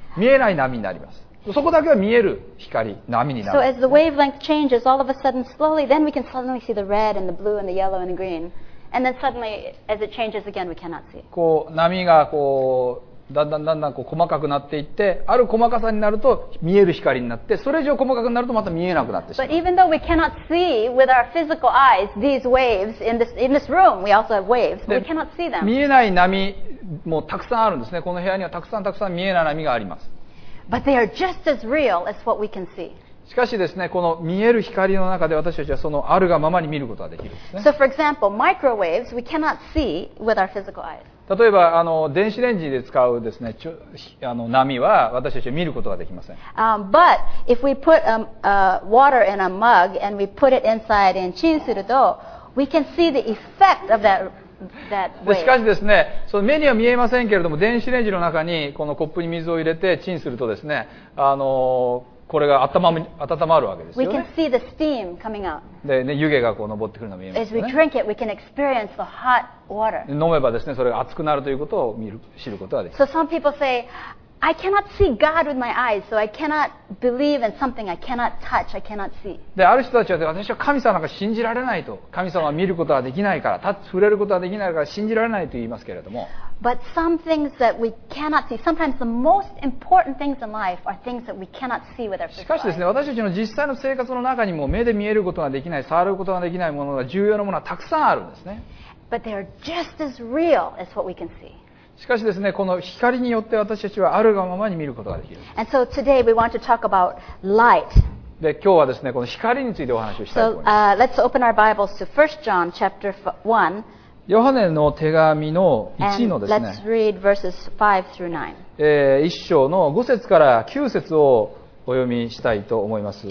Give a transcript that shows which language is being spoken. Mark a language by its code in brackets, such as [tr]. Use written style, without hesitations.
[ja] 見えない波になります。そこだけは見える光、波になるんです。 [en] So as the wavelength changes, all of a sudden, slowly, then we can suddenly see the red and the blue and the yellow and the green. And then suddenly, as it changes again, we cannot see. [ja] こう、波がこう、だんだんこう細かくなっていって、ある細かさになると見える光になって、それ以上細かくなるとまた見えなくなってしまう。 [en] But even though we cannot see with our physical eyes these waves in this room, we also have waves, but we cannot see them. [ja] 見えない波もたくさんあるんですね。この部屋にはたくさん見えない波があります。 [en] But they are just as real as what we can see. [ja] しかしですね、この見える光の中で私たちはそのあるがままに見ることができるんですね。 [en] So for example, microwaves we cannot see with our physical eyes. [ja] 例えば電子レンジで使うですね、波は私たちは見ることができません。 [en] But if we put water in a mug and we put it inside and chin すると we can see the effect of that. [ja] しかしですね、その目には見えませんけれども、電子レンジの中にこのコップに水を入れてチンするとですね、これが温まるわけですよね。 [en] We can see the steam coming out. [ja] で、ね、湯気がこう上ってくるのが見えますね。 [en] As we drink it, we can experience the hot water. [ja] 飲めばですね、それが熱くなるということを知ることができ [en] る。 So some people say, I cannot see God with my eyes, so I cannot believe in something I cannot touch, I cannot see. [ja] で、ある人たちは、私は神様が信じられないと。神様は見ることはできないから、触れることはできないから信じられないと言いますけれども。 [en] But some things that we cannot see, sometimes the most important things in life are things that we cannot see with our physical [ja] eyes. しかしですね、私たちの実際の生活の中にも目で見えることができない、触ることができないものが重要なものはたくさんあるんですね。 [en] But they are just as real as what we can see. [ja] しかしですね、この光によって私たちはあるがままに見ることができる。 [en] And so today we want to talk about light. [ja] で、今日はですね、この光についてお話をしたいと思います。 [en] So, let's open our Bibles to 1 John chapter 1. [ja] ヨハネの手紙の1のですね。 [en] And let's read verses 5 through 9. [ja] 1章の5節から9節をお読みしたいと思います。